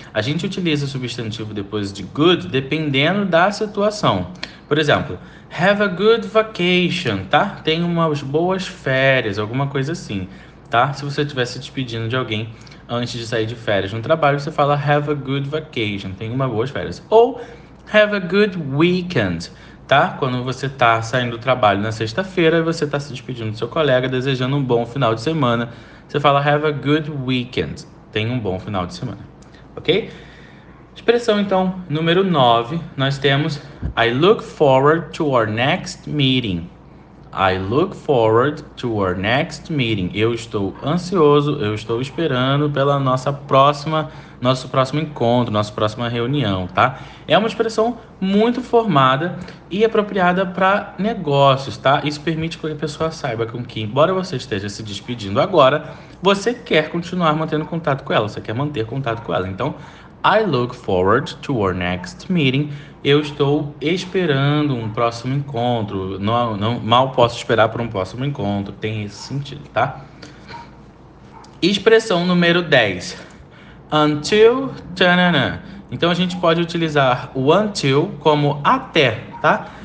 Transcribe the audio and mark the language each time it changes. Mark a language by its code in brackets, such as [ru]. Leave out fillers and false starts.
[pt] A gente utiliza o substantivo depois de good dependendo da situação. Por exemplo, [en] have a good vacation, [pt] tá? Tenha umas boas férias, alguma coisa assim, tá? Se você estiver se despedindo de alguém antes de sair de férias no trabalho, você fala [en] have a good vacation, [pt] tenha umas boas férias. [en] Ou have a good weekend, tá? [pt] Quando você está saindo do trabalho na sexta-feira e você está se despedindo do seu colega, desejando um bom final de semana, você fala [en] have a good weekend, [pt] tenha um bom final de semana. Ok? Expressão então número 9, nós temos [en] I look forward to our next meeting. I look forward to our next meeting. [pt] Eu estou ansioso, eu estou esperando pela nosso próximo encontro, nossa próxima reunião, tá? É uma expressão muito formada e apropriada para negócios, tá? Isso permite que a pessoa saiba com que, embora você esteja se despedindo agora, você quer continuar mantendo contato com ela, você quer manter contato com ela. Então, [en] I look forward to our next meeting. [pt] Eu estou esperando um próximo encontro. Não, mal posso esperar por um próximo encontro. Tem esse sentido, tá? Expressão número 10. Until, tanana. Então a gente pode utilizar o until como até, tá?